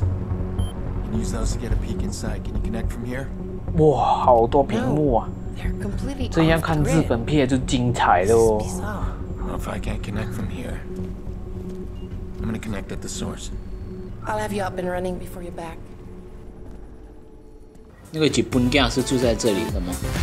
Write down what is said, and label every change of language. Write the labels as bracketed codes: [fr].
[en] You can use those to get a peek inside. Can you connect from here? [zh] 哇，好多屏幕啊！这样看日本片就精彩了哦。 [en] If I can't connect from here, I'm gonna connect at the source. I'll have you up and running before you're back. [zh] 那个吉本家是住在这里的吗？